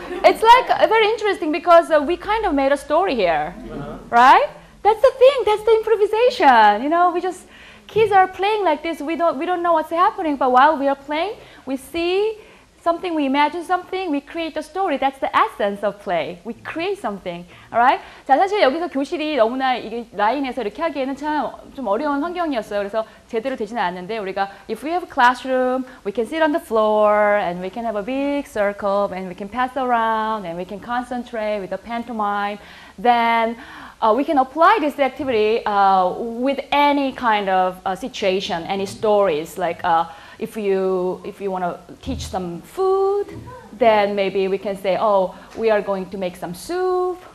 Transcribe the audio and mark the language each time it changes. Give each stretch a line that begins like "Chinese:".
English: It's like very interesting because we kind of made a story here, uh-huh. Right? That's the thing. That's the improvisation. You know, we just kids are playing like this. We don't know what's happening, but while we are playing, we see something, we imagine something, we create a story. That's the essence of play. We create something. All right?
Korean: 자, 사실 여기서 교실이 너무나 이게 라인에서 이렇게 하기에는 참 좀 어려운 환경이었어요. 그래서 제대로 되지는 않았는데 우리가
English: if we have a classroom, we can sit on the floor and we can have a big circle and we can pass around and we can concentrate with a pantomime. Then we can apply this activity with any kind of situation, any stories like if you want to teach some food, then maybe we can say, oh, we are going to make some soup.